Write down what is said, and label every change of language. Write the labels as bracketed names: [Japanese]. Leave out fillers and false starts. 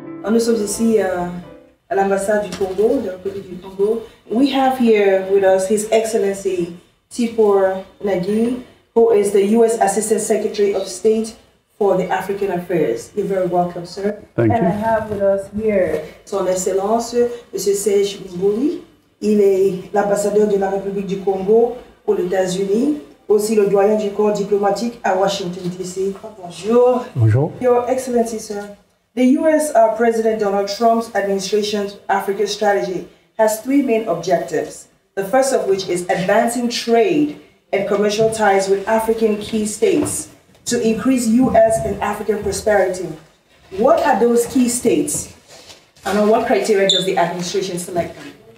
[French] Nous sommes ici à l'ambassade du Congo, de la République du Congo. [English] We have here with us His Excellency Tibor, Nagy, who is the U.S. Assistant Secretary of State for the African Affairs. You're very welcome, sir. Thank you. And I have with us here [French] Son Excellence, Monsieur Serge Mombouli. Il est l'ambassadeur de la République du Congo aux États-Unis, aussi le doyen du corps diplomatique à Washington, D.C. Bonjour. Bonjour. [English] Your Excellency, sir. The U.S. President Donald Trump's administration's Africa strategy has three main objectives, the first of which is advancing trade and commercial ties with African key states to increase U.S. and African prosperity. What are those key states, and on what criteria does the administration select them?